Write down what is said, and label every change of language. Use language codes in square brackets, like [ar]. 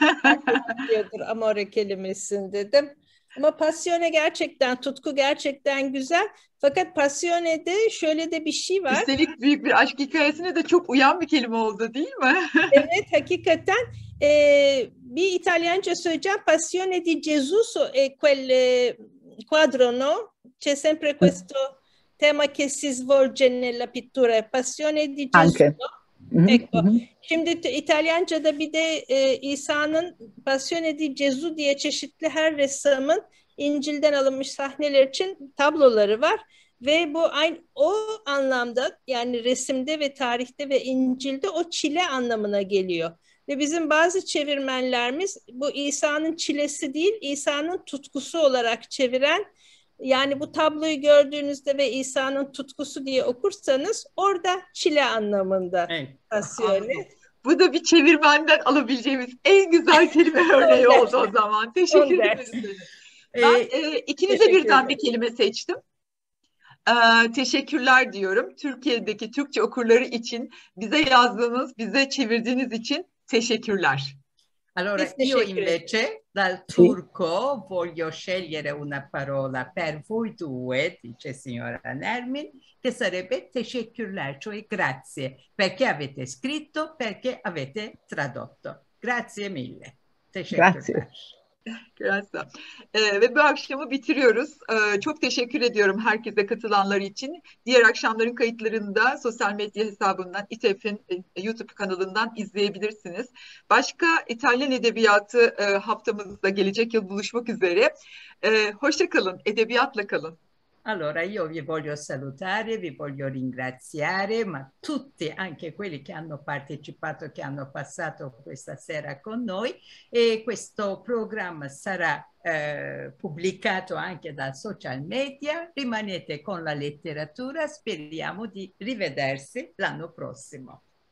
[tr] Herkes biliyordur amore kelimesini dedim. Ama passione gerçekten, tutku gerçekten güzel. Fakat passione'de şöyle de bir şey var. Üstelik büyük bir aşk hikayesine de çok uyan bir kelime oldu değil mi? Evet, hakikaten. Bir İtalyanca söyleyeceğim. [it] Passione di Gesù su quel quadro, no? C'è sempre questo tema che si svolge nella pittura. Passione di Gesù. Anche. Ecco. [tr] Şimdi İtalyanca'da bir de İsa'nın Passione di Gesù diye çeşitli her ressamın İncil'den alınmış sahneler için tabloları var ve bu aynı o anlamda, yani resimde ve tarihte ve İncil'de o çile anlamına geliyor. Ve bizim bazı çevirmenlerimiz bu İsa'nın çilesi değil, İsa'nın tutkusu olarak çeviren, yani bu tabloyu gördüğünüzde ve İsa'nın tutkusu diye okursanız orada çile anlamında. Evet. Passione. Bu da bir çevirmenden alabileceğimiz en güzel kelime örneği oldu o zaman. Teşekkür ederim. İkinize birden bir kelime seçtim. Teşekkürler diyorum. Türkiye'deki Türkçe okurları için bize yazdığınız, bize çevirdiğiniz için teşekkürler. [it] Allora, io invece dal turco voglio scegliere una parola per voi due, dice signora Nermin, che sarebbe teşekkürler, cioè grazie, perché avete scritto, perché avete tradotto. Grazie mille. [tr] Teşekkürler. [it] Grazie. Grazie. [tr] Ve bu akşamı bitiriyoruz. Çok teşekkür ediyorum herkese katılanlar için. Diğer akşamların kayıtlarını da sosyal medya hesabından, İTEF'in YouTube kanalından izleyebilirsiniz. Başka İtalyan edebiyatı haftamızda gelecek yıl buluşmak üzere. Hoşça kalın, edebiyatla kalın. [it] Allora io vi voglio salutare, vi voglio ringraziare, ma tutti, anche quelli che hanno partecipato, che hanno passato questa sera con noi, e questo programma sarà pubblicato anche dal social media. Rimanete con la letteratura, speriamo di rivedersi l'anno prossimo.